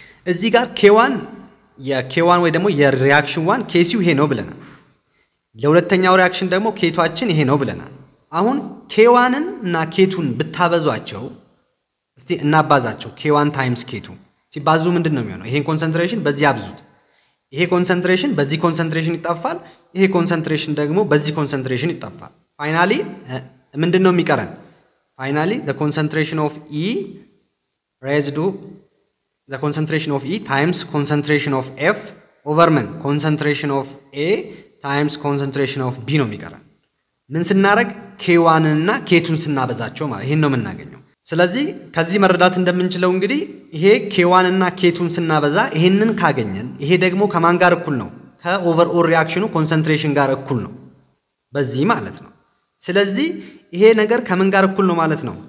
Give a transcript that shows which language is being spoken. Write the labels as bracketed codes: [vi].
[am] እዚህ ጋር ኬዋን የኬዋን ወይ ደግሞ የሪአክሽን ዋን ኬሲው ይሄ ነው ብለናል። ለሁለተኛው ሪአክሽን ደግሞ ኬቷችን ይሄ ነው ብለናል። አሁን ኬዋንን እና ኬቱን ብታበዟቸው እስቲ እናባዛቸው። ኬዋን ታይምስ ኬቱ ሲባዙ ምንድን ነው የሚሆነው? ይሄን ኮንሰንትሬሽን በዚህ አብዙት፣ ይሄ ኮንሰንትሬሽን በዚህ ኮንሰንትሬሽን ይጠፋል፣ ይሄ ኮንሰንትሬሽን ደግሞ በዚህ ኮንሰንትሬሽን ይጠፋል። ፋይናሊ ምንድን ነው የሚቀረን? [en] Finally, the concentration of E times concentration of F over men. Concentration of A times concentration of B [am] ነው የሚቀረን። ምን ስናረግ? K1ን እና K2ን ስናበዛቸው ማለት ይህን ነው የምናገኘው። ስለዚህ ከዚህ መረዳት እንደምንችለው እንግዲህ ይሄ K1ን እና K2ን ስናበዛ ይህንን ካገኘን፣ ይሄ ደግሞ ከማን ጋር እኩል ነው? ከኦቨር ኦል ሪአክሽኑ ኮንሰንትሬሽን ጋር እኩል ነው፣ በዚህ ማለት ነው። ስለዚህ ይሄ ነገር ከምን ጋር እኩል ነው ማለት ነው?